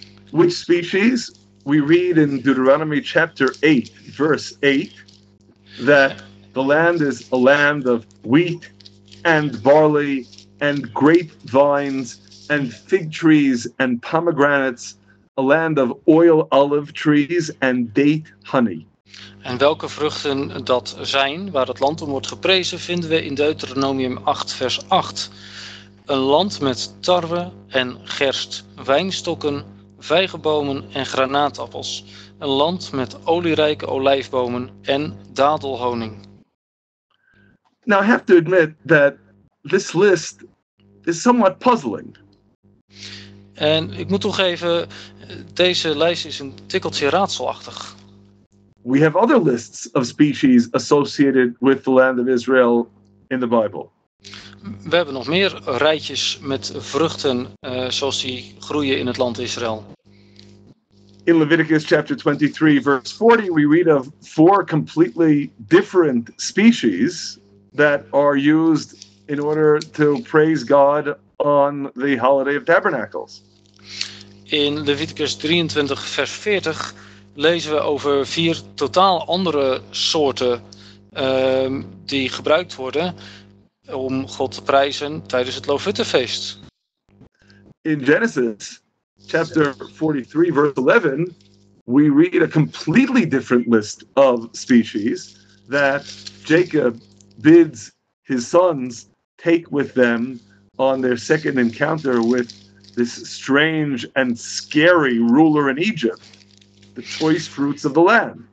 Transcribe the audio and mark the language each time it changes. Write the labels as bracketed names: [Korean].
[English] Which species? We read in Deuteronomy chapter 8, verse 8, that the land is a land of wheat and barley and grapevines and fig trees and pomegranates, a land of oil olive trees and date honey. [Dutch] En welke vruchten dat zijn, waar het land om wordt geprezen, vinden we in Deuteronomium 8, vers 8. Een land met tarwe en gerst, wijnstokken, vijgenbomen en granaatappels. Een land met olierijke olijfbomen en dadelhoning. [English] Now I have to admit that this list is somewhat puzzling. [Dutch] En ik moet toegeven, deze lijst is een tikkeltje raadselachtig. [English] We have other lists of species associated with the land of Israel in the Bible. [Dutch] We hebben nog meer rijtjes met vruchten zoals die groeien in het land Israël. [English] In Leviticus chapter 23 verse 40 we read of four completely different species that are used in order to praise God on the holiday of tabernacles. [Dutch] In Leviticus 23 vers 40 lezen we over vier totaal andere soorten die gebruikt worden om God te prijzen tijdens het Loofhuttenfeest. [English] In Genesis chapter 43 verse 11 we read a completely different list of species that Jacob bids his sons take with them on their second encounter with this strange and scary ruler in Egypt, the choice fruits of the land.